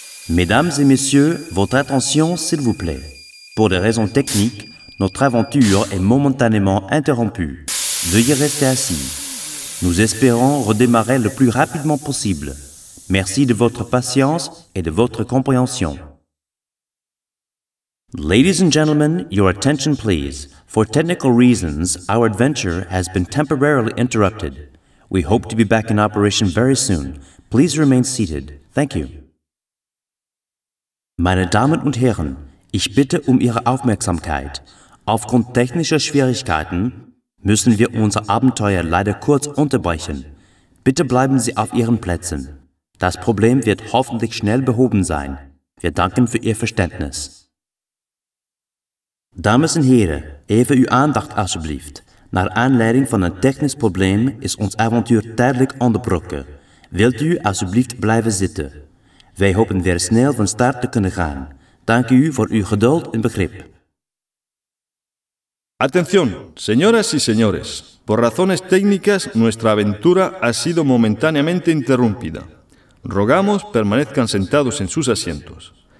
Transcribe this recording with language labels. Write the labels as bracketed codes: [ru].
[fr] Mesdames et messieurs, votre attention s'il vous plaît. Pour des raisons techniques, notre aventure est momentanément interrompue. Veuillez rester assis. Nous espérons redémarrer le plus rapidement possible. Merci de votre patience et de votre compréhension. [en] Ladies and gentlemen, your attention please. For technical reasons, our adventure has been temporarily interrupted. We hope to be back in operation very soon. Please remain seated. Thank you. [de] Meine Damen und Herren, ich bitte um Ihre Aufmerksamkeit. Aufgrund technischer Schwierigkeiten müssen wir unser Abenteuer leider kurz unterbrechen. Bitte bleiben Sie auf Ihren Plätzen. Das Problem wird hoffentlich schnell behoben sein. Wir danken für Ihr Verständnis. [nl] Dames und Herren, even uw aandacht alsjeblieft. Naar aanleiding van een technisch probleem is ons avontuur tijdelijk onderbroken. Wilt u alsjeblieft blijven zitten? Wij hopen weer snel van start te kunnen gaan. Dank u voor uw geduld en begrip. [es] Atención, señoras y señores. Por razones técnicas, nuestra aventura ha sido momentáneamente interrumpida. Rogamos permanezcan sentados en sus asientos.